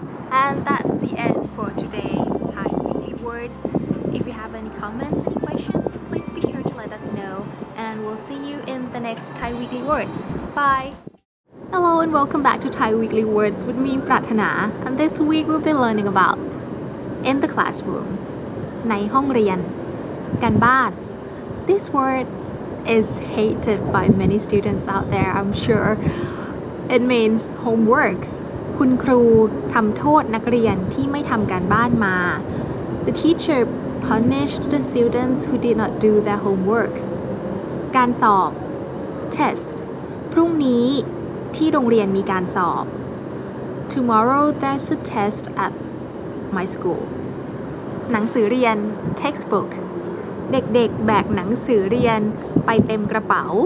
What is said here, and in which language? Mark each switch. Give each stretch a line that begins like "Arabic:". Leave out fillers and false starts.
English: And that's the end for today's Thai Weekly Words. If you have any comments, any questions, please be sure to let us know. And we'll see you in the next Thai Weekly Words. Bye! Hello and welcome back to Thai Weekly Words with me, Prathana. And this week we'll be learning about in the classroom, ในห้องเรียน, การบ้าน. This word is hated by many students out there, I'm sure. It means homework.
Thai: คุณครูทำโทษนักเรียนที่ไม่ทำการบ้านมา.
English: The teacher punished the students who did not do their homework. การสอบ, test.
Thai: พรุ่งนี้ที่โรงเรียนมีการสอบ
English: Tomorrow there's a test at my school หนังสือเรียน textbook
Thai: เด็กๆแบกหนังสือเรียนไปเต็มกระเป๋า